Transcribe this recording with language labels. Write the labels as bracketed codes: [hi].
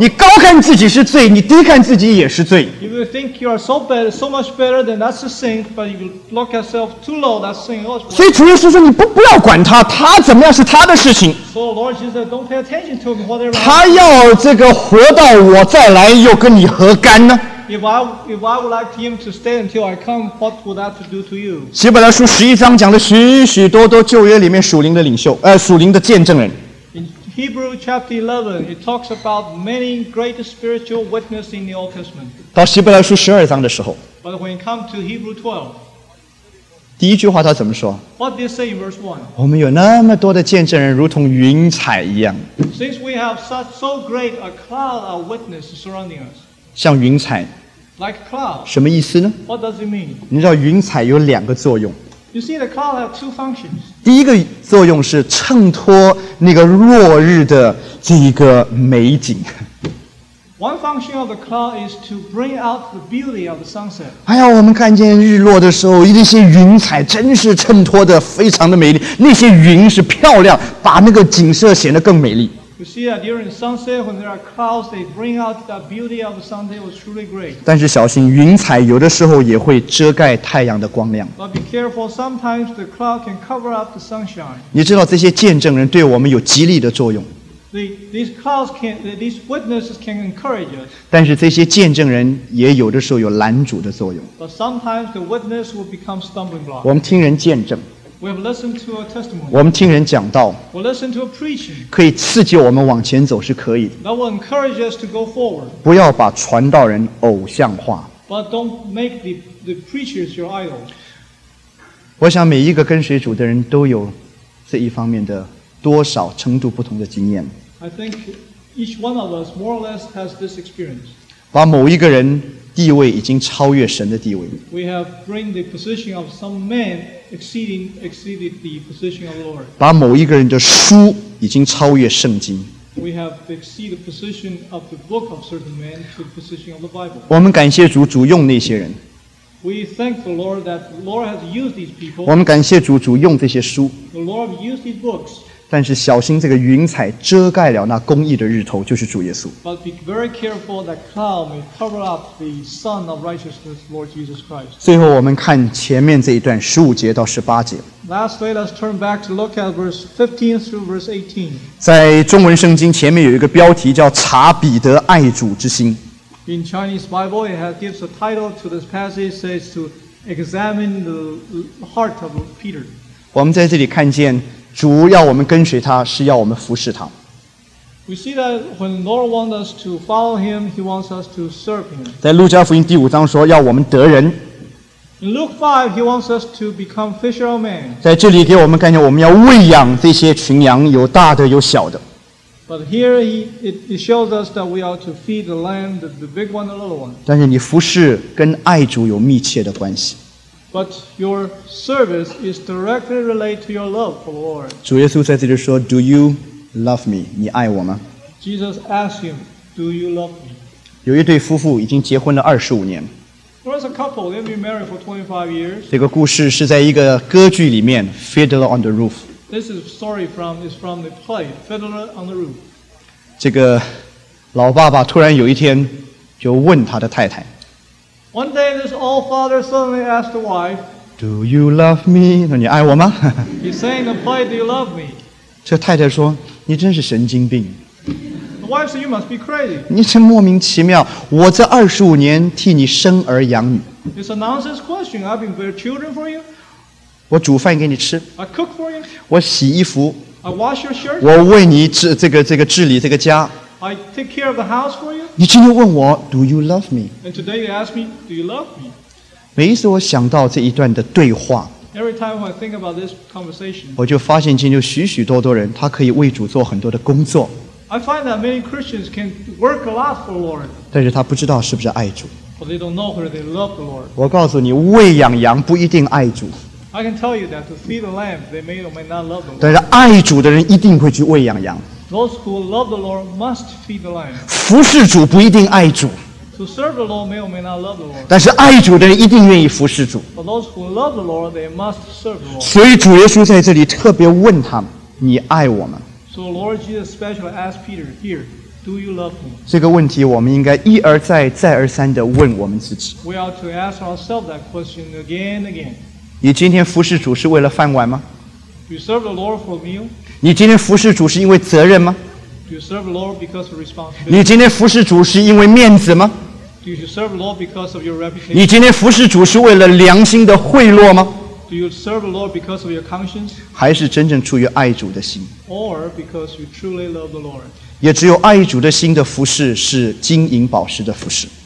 [zh] 你高看自己是罪，你低看自己也是罪。 [en] If you think you are so much better, then that's a sin. But if you look at yourself too low, that's a sin also. [zh] 所以主耶稣说，你不要管他，他怎么样是他的事情。 [en] So Lord Jesus, don't pay attention to him. [zh] 他要这个活到我再来，又跟你何干呢？ [en] If I would like him to stay until I come, what would that do to you? [zh] 希伯来书十一章讲的许许多多旧约里面属灵的领袖，属灵的见证人。 [en] In Hebrews chapter 11, it talks about many great spiritual witnesses in the Old Testament. [zh] 到希伯来书十二章的时候。 [en] But when it comes to Hebrews 12, [zh] 第一句话他怎么说？ [en] What did he say in verse 1? [zh] 我们有那么多的见证人，如同云彩一样。 [en] Since we have such so great a cloud of witnesses surrounding us. [zh] 像云彩 [en] like cloud. [zh] 什么意思呢？ [en] What does it mean? [zh] 你知道云彩有两个作用。 [en] You see, the cloud have two functions. [zh] 第一个作用是衬托那个落日的这一个美景。 [en] One function of the cloud is to bring out the beauty of the sunset. [zh] 哎呀，我们看见日落的时候，那些云彩真是衬托的非常的美丽。那些云是漂亮，把那个景色显得更美丽。 [en] You see that during sunset, when there are clouds, they bring out the beauty of the sunset. It was truly great. [zh] 但是小心，云彩有的时候也会遮盖太阳的光亮。 [en] But be careful. Sometimes the cloud can cover up the sunshine. [zh] 你知道这些见证人对我们有激励的作用。 [en] These witnesses can encourage us. [zh] 但是这些见证人也有的时候有拦阻的作用。 [en] But sometimes the witness will become stumbling block. [zh] 我们听人见证。 [en] We have listened to a testimony. [zh] 我们听人讲道。 [en] We listen to a preaching. [zh] 可以刺激我们往前走是可以的。 [en] That will encourage us to go forward. [zh] 不要把传道人偶像化。 [en] But don't make the preachers your idols. [zh] 我想每一个跟随主的人都有这一方面的多少程度不同的经验。 [en] I think each one of us more or less has this experience. [zh] 把某一个人地位已经超越神的地位。 [en] We have bring the position of some man exceeded the position of the Lord. [zh] 把某一个人的书已经超越圣经。 [en] We have exceeded the position of the book of certain man to the position of the Bible. [zh] 我们感谢主，主用那些人。 [en] We thank the Lord that the Lord has used these people. [zh] 我们感谢主，主用这些书。 [en] The Lord has used these books. [zh] 但是小心，这个云彩遮盖了那公义的日头，就是主耶稣。 [en] But be very careful that cloud may cover up the sun of righteousness, Lord Jesus Christ. [zh] 最后，我们看前面这一段十五节到十八节。 [en] Lastly, let's turn back to look at verse 15 through verse 18. [zh] 在中文圣经前面有一个标题叫“查彼得爱主之心”。 [en] In Chinese Bible, it gives a title to this passage, says to examine the heart of Peter. [zh] 我们在这里看见。主要我们跟随他，是要我们服侍他。 [en] We see that when the Lord wants us to follow Him, He wants us to serve Him. [zh] 在路加福音第五章说，要我们得人。 [en] In Luke 5, He wants us to become fishermen. [zh] 在这里给我们概念，我们要喂养这些群羊，有大的，有小的。 [en] But here it shows us that we are to feed the lamb, the big one, the little one. [zh] 但是你服侍跟爱主有密切的关系。 [en] But your service is directly related to your love for the Lord. [zh] 主耶稣在这里说 [en] Do you love me? [zh] 你爱我吗？ [en] Jesus asked him, Do you love me? [zh] 有一对夫妇已经结婚了25年。 [en] There was a couple, they've been married for 25 years. [zh] 这个故事是在一个歌剧里面 Fiddler on the Roof. [en] This is a story from the play, Fiddler on the Roof. [zh] 这个老爸爸突然有一天就问他的太太。 [en] One day, this old father suddenly asked the wife, Do you love me? [zh] 那你爱我吗？ [en] He's saying, Apply, do you love me? [zh] 这太太说，你真是神经病。 [en] The wife said, You must be crazy. [zh] 你真莫名其妙，我这25年替你生儿养女。 [en] It's a nonsense question. I've been bearing children for you. [zh] 我煮饭给你吃。 [en] I cook for you. [zh] 我洗衣服。 [en] I wash your shirt. [zh] 我为你这个治理这个家。 [en] I take care of the house for you. [zh] 你今天问我 ， [en] Do you love me? And today you ask me, Do you love me? [zh] 每一次我想到这一段的对话 [en] ，Every time I think about this conversation, [zh] 我就发现今天有许许多多人，他可以为主做很多的工作。 [en] I find that many Christians can work a lot for the Lord. [zh] 但是他不知道是不是爱主。 [en] But they don't know whether they love the Lord. [zh] 我告诉你，喂养羊不一定爱主。 [en] I can tell you that to feed the lamb, they may or may not love the Lord. [zh] 但是爱主的人一定会去喂养羊。 [en] Those who love the Lord must feed the lamb. [zh] 服侍主不一定爱主。 [en] To serve the Lord may or may not love the Lord. [zh] 但是爱主的人一定愿意服侍主。 [en] But those who love the Lord, they must serve the Lord. [zh] 所以主耶稣在这里特别问他们：“你爱我吗？” [en] So Lord Jesus specially asked Peter here, "Do you love me?" [zh] 这个问题我们应该一而再、再而三地问我们自己。 [en] We ought to ask ourselves that question again and again. [zh] 你今天服侍主是为了饭碗吗？ [en] You serve the Lord for a meal? [zh] 你今天服侍主是因为责任吗？ [en] Do you serve the Lord because of responsibility? [zh] 你今天服侍主是因为面子吗？ [en] Do you serve the Lord because of your reputation? [zh] 你今天服侍主是为了良心的贿赂吗？ [en] Do you serve the Lord because of your conscience? [zh] 还是真正出于爱主的心？ [en] Or because you truly love the Lord? [zh] 也只有爱主的心的服侍是金银宝石的服侍。